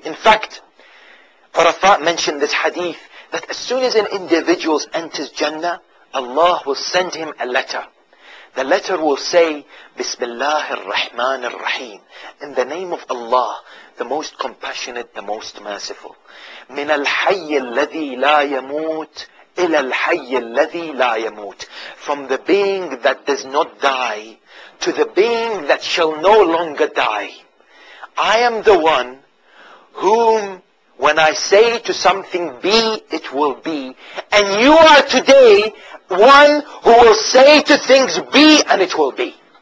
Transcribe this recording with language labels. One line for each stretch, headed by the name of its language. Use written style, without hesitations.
English: In fact, Arafat mentioned this hadith, that as soon as an individual enters Jannah, Allah will send him a letter. The letter will say, Bismillah ar-Rahman ar-Rahim, in the name of Allah, the most compassionate, the most merciful.
Arabic: من الحي الذي لا يموت إلى الحي الذي لا يموت.
English: From the being that does not die to the being that shall no longer die. I am the one whom when I say to something be, it will be. And you are today one who will say to things be and it will be.